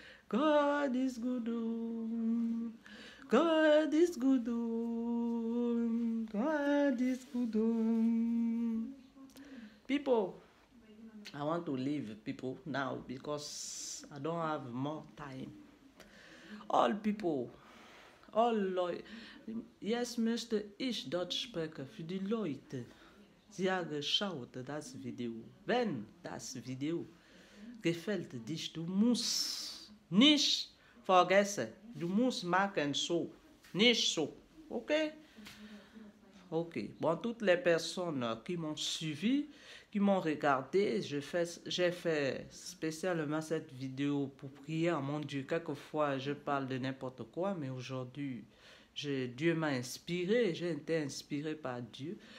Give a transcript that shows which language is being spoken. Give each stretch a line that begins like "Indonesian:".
English: God is good, oh. God is good, oh. God is good, oh. People, I want to leave people now because I don't have more time. All people, all Leute, yes, Mr.
German: Ich Deutsch spreche für die Leute, sie haben geschaut das Video. Wenn das Video gefällt dich, du musst nicht vergessen, du musst machen so, nicht so, okay?
French: Ok, bon, toutes les personnes qui m'ont suivi, qui m'ont regardé, j'ai fait spécialement cette vidéo pour prier. Mon Dieu, quelquefois je parle de n'importe quoi, mais aujourd'hui, Dieu m'a inspiré, j'ai été inspiré par Dieu.